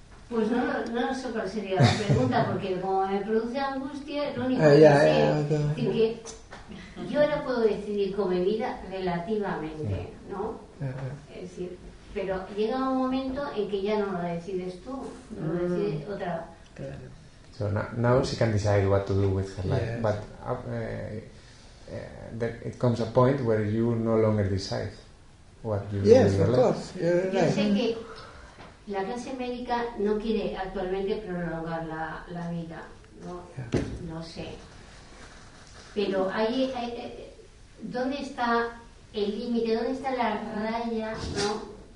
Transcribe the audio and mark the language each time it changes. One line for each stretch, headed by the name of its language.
Spanish: Pues no sé cuál sería la pregunta, porque como me produce angustia, lo único que yo ahora puedo decidir con mi vida relativamente, ¿no? Es decir, pero llega un momento en que ya no lo decides tú, no lo decide otra. Claro.
English: So now she can decide what to do with her life, yes. But there it comes a point where you no longer decide what you yes, do with your life.
Spanish: Yo sé que la clase médica no quiere actualmente prolongar la vida, ¿no?
English: Yeah.
Spanish: No sé. Pero hay ¿dónde está el límite? ¿Dónde está la raya? ¿No?